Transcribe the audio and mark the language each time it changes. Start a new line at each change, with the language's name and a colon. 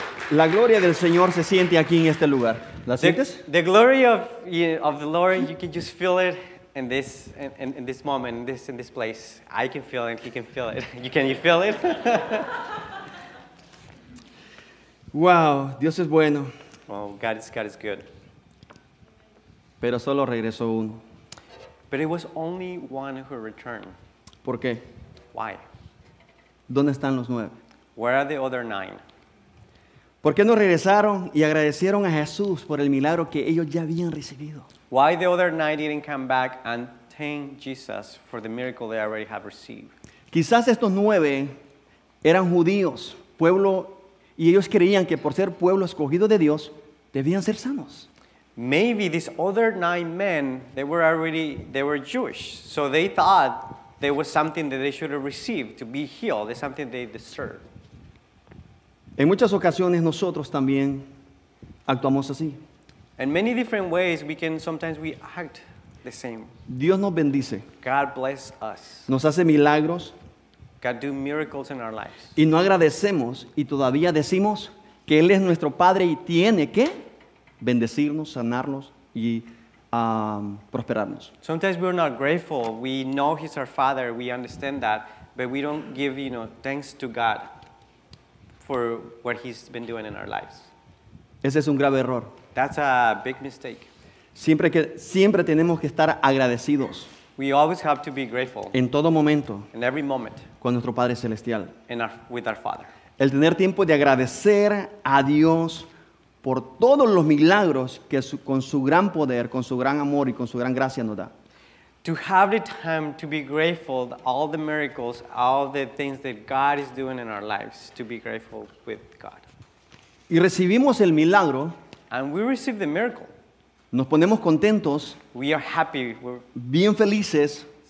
Spanish: La gloria del Señor se siente aquí en este lugar. ¿La sientes?
English: The glory of the Lord, you can just feel it in this moment, in this place. I can feel it. He can feel it. Can you feel it?
Spanish: Wow, Dios es bueno.
English: Well, God is good.
Spanish: Pero solo regresó uno.
English: But it was only one who returned.
Spanish: ¿Por qué?
English: Why?
Spanish: ¿Dónde están los nueve?
English: Where are the other nine?
Spanish: ¿Por qué no regresaron y agradecieron a Jesús por el milagro que ellos ya habían recibido?
English: Why the other nine didn't come back and thank Jesus for the miracle they already have received?
Spanish: Quizás estos nueve eran judíos, pueblo, y ellos creían que por ser pueblo escogido de Dios, debían ser sanos.
English: Maybe these other nine men, they were Jewish, so they thought there was something that they should have received to be healed, there's something they deserved.
Spanish: En muchas ocasiones nosotros también actuamos así.
English: In many different ways sometimes we act the same.
Spanish: Dios nos bendice.
English: God bless us.
Spanish: Nos hace milagros.
English: God do miracles in our lives.
Spanish: Y no agradecemos y todavía decimos que Él es nuestro Padre y tiene que bendecirnos, sanarnos y prosperarnos.
English: Sometimes we're not grateful. We know He's our Father. We understand that. But we don't give, you know, thanks to God for what he's been doing in our lives.
Spanish: Ese es un grave error.
English: That's a big mistake.
Spanish: Siempre tenemos que estar agradecidos.
English: We always have to be grateful.
Spanish: En todo momento.
English: In every moment.
Spanish: Con nuestro Padre Celestial.
English: With our Father.
Spanish: El tener tiempo de agradecer a Dios por todos los milagros que con su gran poder, con su gran amor y con su gran gracia nos da.
English: To have the time to be grateful, all the miracles, all the things that God is doing in our lives, to be grateful with God.
Spanish: Y recibimos el milagro.
English: And we receive the miracle.
Spanish: Nos ponemos contentos.
English: We are happy. We're
Spanish: bien felices.